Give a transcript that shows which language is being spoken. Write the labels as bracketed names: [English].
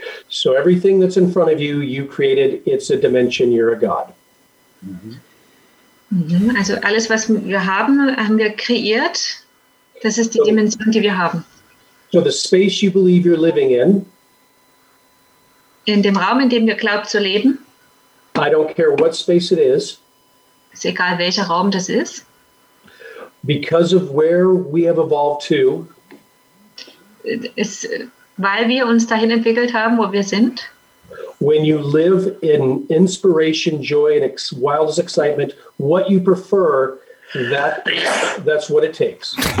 [English] So everything that's in front of you, you created, it's a dimension, you're a god. Mm-hmm. [German] Also alles, was wir haben, haben wir kreiert. Das ist die Dimension, die wir haben. [English] So the space you believe you're living in. [German] In dem Raum, in dem wir glaubt zu leben. [English] I don't care what space it is. [German] Ist egal, welcher Raum das ist. [English] Because of where we have evolved to. [German] Ist, weil wir uns dahin entwickelt haben, wo wir sind. [English] When you live in inspiration, joy and wildest excitement, what you prefer, that's what it takes.